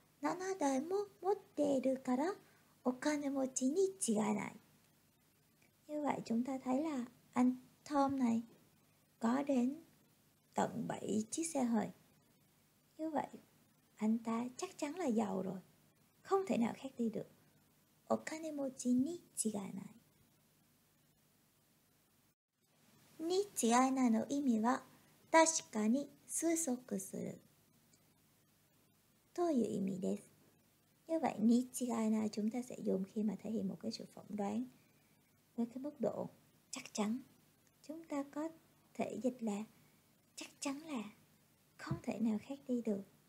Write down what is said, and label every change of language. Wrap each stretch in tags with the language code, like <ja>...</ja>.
<ja>トムさんは車を7台も持っているから お金持ちに違いない。</ja> <vi>Như vậy chúng ta thấy là anh Tom này có đến tận 7 chiếc xe hơi. Như vậy anh ta chắc chắn là giàu rồi. Không thể nào khác đi được.</vi> <ja>お金持ちに違いない. に違いないの意味は確かに推測する という意味です.</ja> <vi>Như vậy に違いない chúng ta sẽ dùng khi mà thể hiện một cái sự phỏng đoán với cái mức độ chắc chắn. Chúng ta có thể dịch là chắc chắn là không thể nào khác đi được.</vi>